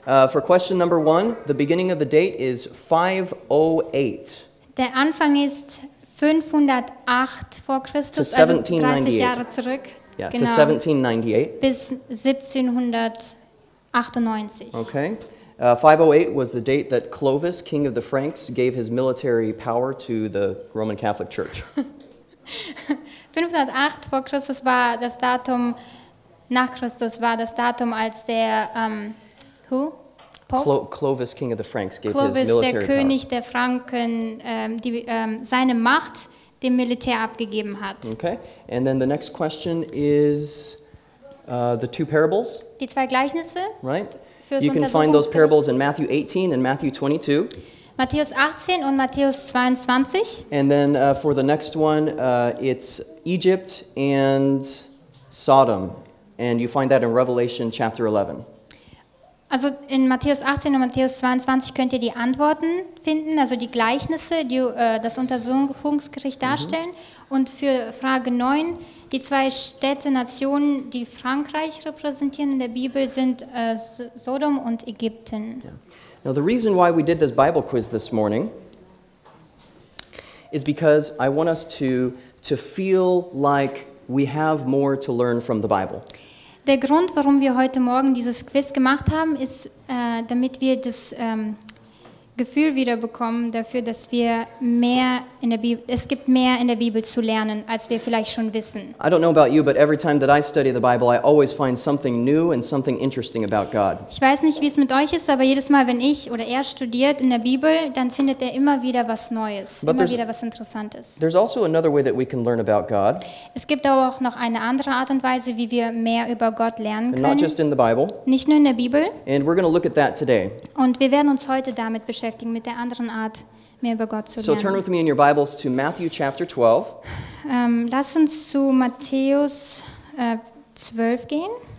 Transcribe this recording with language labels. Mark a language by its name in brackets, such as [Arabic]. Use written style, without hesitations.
[English] For question number one, the beginning of the date is 508. [German] Der Anfang ist 508 vor Christus, also 30 Jahre zurück. [English] Yeah, [German] genau. [English] To 1798. [German] Bis 1798. Okay. [English] 508 was the date that Clovis, king of the Franks, gave his military power to the Roman Catholic Church. [German] 508 vor Christus war das Datum, nach Christus war das Datum, als der, who? [English] Clovis, king of the Franks, gave Clovis, his military [German] der König [English] power. [German] Der Franken, seine Macht dem Militär abgegeben hat. [English] Okay, and then the next question is the two parables. [German] Die zwei Gleichnisse. [English] Right. You can find those parables in Matthew 18 and Matthew 22. [German] Matthäus 18 und Matthäus 22. [English] And then for the next one, it's Egypt and Sodom. And you find that in Revelation chapter 11. [German] Also in Matthäus 18 und Matthäus 22 könnt ihr die Antworten finden, also die Gleichnisse, die das Untersuchungsgericht darstellen. Mm-hmm. Und für Frage 9, die zwei Städte, Nationen, die Frankreich repräsentieren in der Bibel, sind Sodom und Ägypten. [English] Yeah. Now the reason why we did this Bible quiz this morning is because I want us to feel like we have more to learn from the Bible. [German] Der Grund, warum wir heute Morgen dieses Quiz gemacht haben, ist, damit wir das Gefühl wiederbekommen dafür, dass wir mehr in der es gibt mehr in der Bibel zu lernen, als wir vielleicht schon wissen. [English] I don't know about you, but every time that I study the Bible, I always find something new and something interesting about God. [German] Ich weiß nicht, wie es mit euch ist, aber jedes Mal, wenn ich oder er studiert in der Bibel, dann findet er immer wieder was Neues, [English] but [German] immer wieder was Interessantes. [English] There's also another way that we can learn about God. [German] Es gibt auch noch eine andere Art und Weise, wie wir mehr über Gott lernen können. [English] Not just in the Bible. [German] Nicht nur in der Bibel. [English] And we're going to look at that today. [German] Und wir werden uns heute damit beschäftigen. Mit der anderen Art, mehr über Gott zu lernen. [English] So turn with me in your Bibles to Matthew chapter 12. [German] Lass uns zu Matthäus 12 gehen.